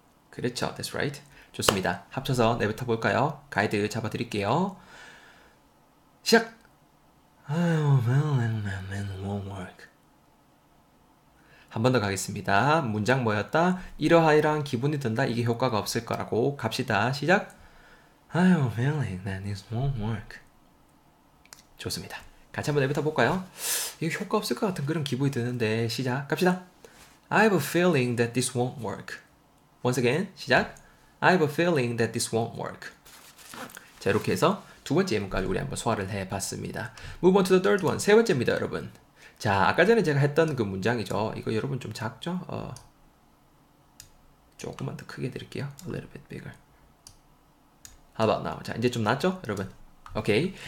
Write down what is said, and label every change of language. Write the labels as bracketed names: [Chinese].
[Korean] 그렇죠. [English] That's right. [Korean] 좋습니다. 합쳐서 내뱉어 볼까요? 가이드 잡아 드릴게요. 시작! [English] man won't work. [Korean] 한 번 더 가겠습니다. 문장 뭐였다? 이러하이러한 기분이 든다. 이게 효과가 없을 거라고. 갑시다. 시작! [English] I have a feeling that this won't work. [Korean] 좋습니다. 같이 한번 내뱉어 볼까요? 이게 효과 없을 것 같은 그런 기분이 드는데 시작! 갑시다! [English] I have a feeling that this won't work. Once again, [Korean] 시작! [English] I have a feeling that this won't work. [Korean] 자, 이렇게 해서 두 번째 예문까지 우리 한번 소화를 해봤습니다. [English] Move on to the third one. [Korean] 세 번째입니다, 여러분. 자, 아까 전에 제가 했던 그 문장이죠. 이거 여러분 좀 작죠? 조금만 더 크게 드릴게요. [English] A little bit bigger. How about now? [Korean] 자, 이제 좀 낫죠, 여러분? 오케이.